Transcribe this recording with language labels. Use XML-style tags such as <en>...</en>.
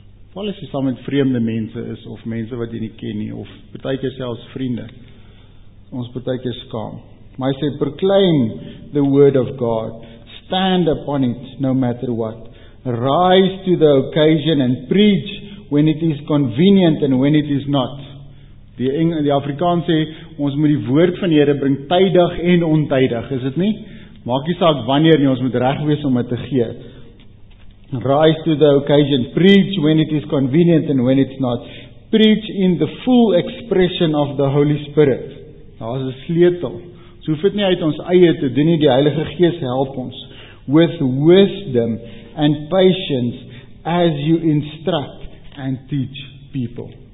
<af>Val as jy saam met vreemde mense is, of mense wat jy nie ken nie, of partykeer selfs vriende. Ons partykeer skaam. Maar hy sê,</af> <en>proclaim the word of God. Stand upon it, no matter what. Rise to the occasion and preach when it is convenient and when it is not.</en> <af>Die Afrikaans sê, ons moet die woord van die Here bring tydig en ontydig, is dit nie? Maak nie saak wanneer nie, ons moet reg wees om dit te gee.</af> <en>Rise to the occasion, preach when it is convenient and when it's not. Preach in the full expression of the Holy Spirit.</en> <af>Daar is 'n sleutel. Ons hoef dit nie uit ons eie te doen nie, die Heilige Gees help ons.</af> <en>With wisdom and patience as you instruct and teach people.</en>